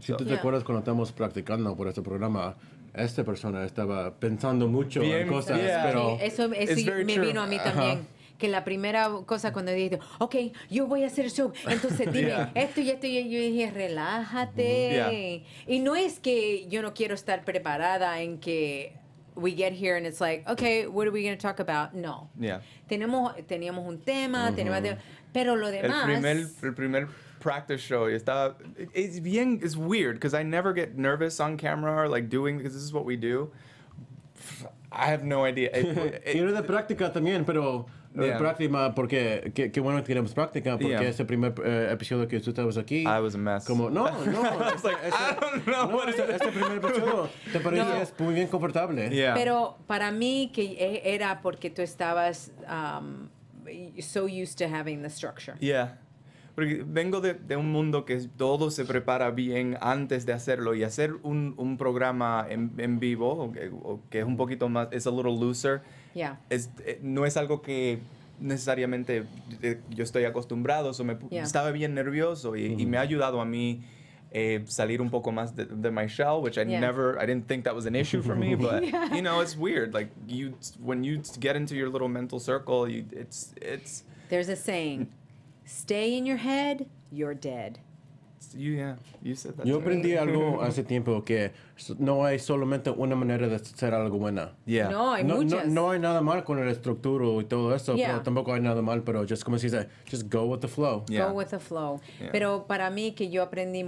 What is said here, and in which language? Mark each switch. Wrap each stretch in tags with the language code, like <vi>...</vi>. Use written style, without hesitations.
<es>Si tú te acuerdas cuando estamos practicando por este programa, esta persona estaba pensando mucho en cosas, pero... Eso me vino a mí también. Que la primera cosa cuando dije, ok, yo voy a hacer show, entonces dime esto y esto, y yo dije, relájate. Y no es que yo no quiero estar preparada en que</es> <en>we get here and it's like, okay, what are we going to talk about?</en> <es>No. Teníamos un tema, pero lo demás... El primer</es> <en>practice show, it's weird because I never get nervous on camera or like doing, because this is what we do. I have no idea.</en> <es>Era de práctica también, pero... Yeah. Práctima, porque qué bueno que tenemos práctica, porque ese primer episodio que tú estabas aquí.</es> <en>I was a mess.</en> <es>Como, no, no.</es> <en>I was like, I don't know what it is.</en> <es>Este primer episodio te parecías muy bien confortable.</es> <en>Yeah.</en> <es>Pero para mí que era porque tú estabas</es> <en>so used to having the structure.</en> <es>Yeah. Porque vengo de un mundo que todo se prepara bien antes de hacerlo, y hacer un programa en vivo, que es un poquito más,</es> <en>it's a little looser. Yeah.</en> <es>No es algo que necesariamente yo estoy acostumbrado, so estaba bien nervioso y me ha ayudado a mí salir un poco más de</es> <en>my shell, which I didn't think that was an issue for me, but you know, it's weird, like when you get into your little mental circle, it's there's a saying, stay in your head, you're dead. You said that.</en> <es>Yo aprendí algo hace tiempo que no hay solamente una manera de hacer algo buena.</es> <en>Yeah.</en> <es>No, hay muchas. No hay nada mal con la estructura y todo eso, pero tampoco hay nada mal, pero just como se dice,</es> <en>just go with the flow.</en> <es>Yeah.</es> <en>Go with the flow.</en> <es>Yeah. Pero para mí que yo aprendí</es>